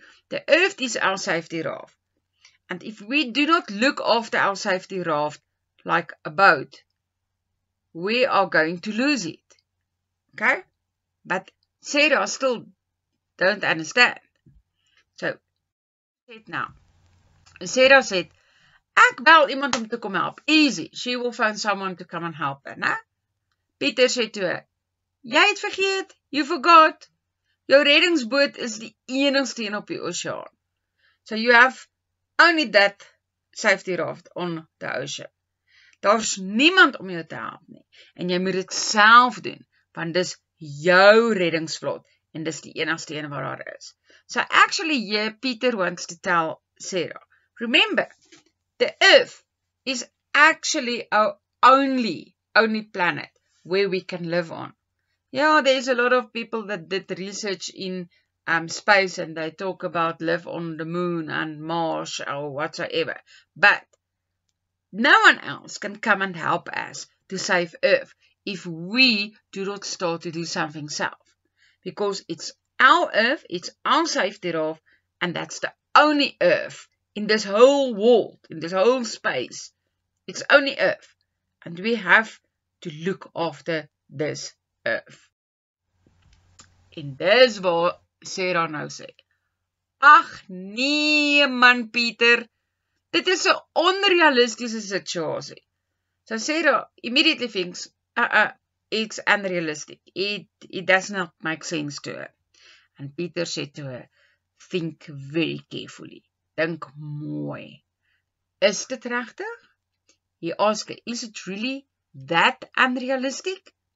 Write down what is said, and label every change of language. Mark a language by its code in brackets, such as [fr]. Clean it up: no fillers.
[en] The earth is our safety raft. And if we do not look after our safety raft like a boat, we are going to lose it. Okay? But Sarah still don't understand. So, now. Sarah said, [af] ek bel iemand om te kom help. [en] Easy. She will find someone to come and help her. Na? [af] Pieter sê toe, jy het vergeet. [en] You forgot. [af] Jou reddingsboot is die enigste een op die oseaan. [en] So you have only that safety raft on the ocean. [af] Daar's niemand om jou te help nie. En jy moet dit self doen. Want dis jou reddingsvlot. En dis die enigste een wat daar is. [en] So actually, yeah, Pieter wants to tell Sarah, remember, the Earth is actually our only planet where we can live on. Yeah, there's a lot of people that did research in space and they talk about live on the moon and Mars or whatsoever. But no one else can come and help us to save Earth if we do not start to do something self. Because it's our Earth, it's our safety raft, and that's the only Earth in this whole world, in this whole space. It's only Earth. And we have to look after this Earth. [af] En dis waar Sarah nou sê, ach nee man Pieter, dit is een onrealistische situasie. [en] So Sarah immediately thinks, it's unrealistic, it does not make sense to her. And Pieter sê to her, think very carefully, [af] denk mooi. Is dit regtig? [en] He asked, is it really that unrealistic?